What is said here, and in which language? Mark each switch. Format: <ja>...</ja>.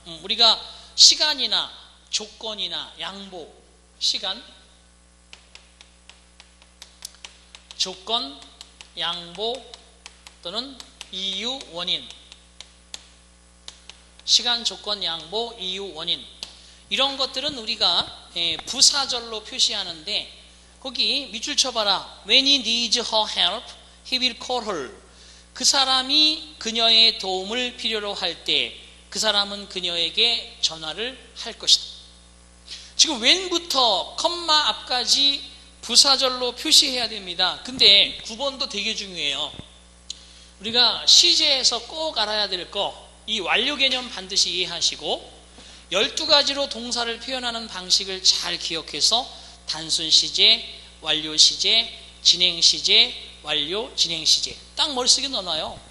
<ko>우리가 시간이나 조건이나 양보, 시간, 조건, 양보 또는 이유, 원인. 시간, 조건, 양보, 이유, 원인. 이런 것들은 우리가 부사절로 표시하는데 거기 밑줄 쳐봐라.</ko> <en>When he needs her help, he will call her.</en> <ko>그 사람이 그녀의 도움을 필요로 할 때 그 사람은 그녀에게 전화를 할 것이다. 지금 when부터 콤마 앞까지 부사절로 표시해야 됩니다. 근데 9번도 되게 중요해요. 우리가 시제에서 꼭 알아야 될 거, 이 완료 개념 반드시 이해하시고 12가지로 동사를 표현하는 방식을 잘 기억해서 단순 시제, 완료 시제, 진행 시제, 완료 진행 시제 딱 머릿속에 넣어놔요.</ko>